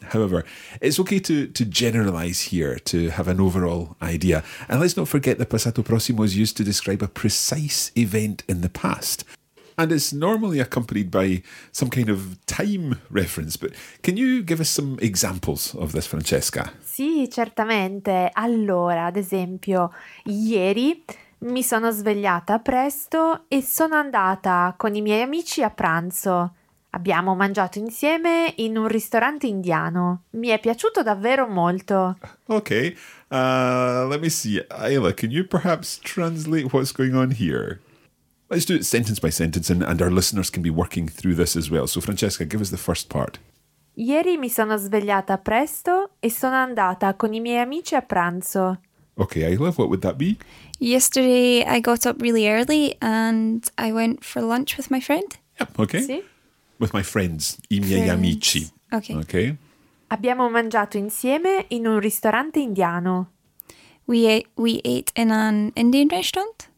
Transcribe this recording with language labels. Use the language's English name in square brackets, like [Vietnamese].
[English] However, it's okay to generalize here, to have an overall idea. And let's not forget that passato prossimo is used to describe a precise event in the past. And it's normally accompanied by some kind of time reference. But can you give us some examples of this, Francesca? [Italian] Sì, certamente. Allora, ad esempio, ieri mi sono svegliata presto e sono andata con i miei amici a pranzo. Abbiamo mangiato insieme in un ristorante indiano. Mi è piaciuto davvero molto. [English] Ok, let me see. Ayla, can you perhaps translate what's going on here? Let's do it sentence by sentence, and our listeners can be working through this as well. So Francesca, give us the first part. [Italian] Ieri mi sono svegliata presto e sono andata con i miei amici a pranzo. [English] Ok, Ayla, what would that be? Yesterday I got up really early and I went for lunch with my friend. Yep, okay. [Italian] Sì. [English] With my friends, [Italian] i miei [English] friends. [Italian] Amici. [English] Okay. Okay. [Italian] Abbiamo mangiato insieme in un ristorante indiano. [English] We ate in an Indian restaurant.